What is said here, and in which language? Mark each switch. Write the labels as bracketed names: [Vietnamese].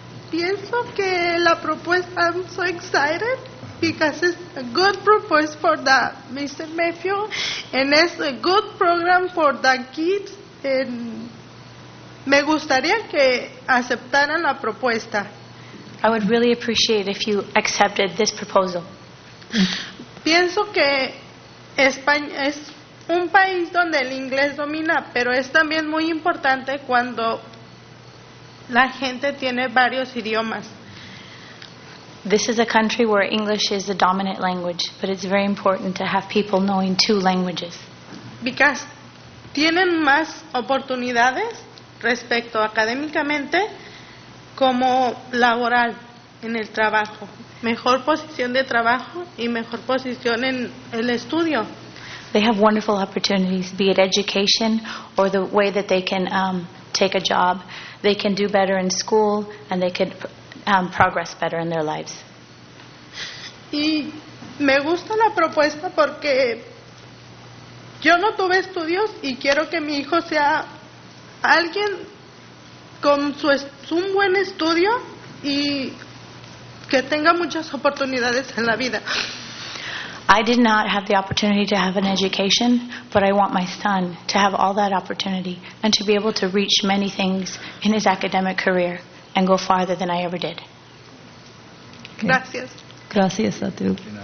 [English] Pienso que la propuesta, I'm so excited because it's a good proposal for the Mr. Mayfield, and it's a good program for the kids, and me gustaría que aceptaran la propuesta. I would really appreciate if you accepted this proposal. [Spanish] Pienso que España es un país donde el inglés domina, pero es también muy importante cuando la gente tiene varios idiomas. [English] This is a country where English is the dominant language, but it's very important to have people knowing two languages. [Spanish] Because tienen más oportunidades respecto académicamente como laboral en el trabajo. Mejor posición de trabajo y mejor posición en el estudio. [English] They have wonderful opportunities, be it education or the way that they can take a job. They can do better in school, and they can progress better in their lives. [Spanish] Y me gusta la propuesta porque yo no tuve estudios y quiero que mi hijo sea alguien con un buen estudio y que tenga muchas oportunidades en la vida. [English] I did not have the opportunity to have an education, but I want my son to have all that opportunity and to be able to reach many things in his academic career and go farther than I ever did. [Spanish] Okay. Gracias. Gracias a tu.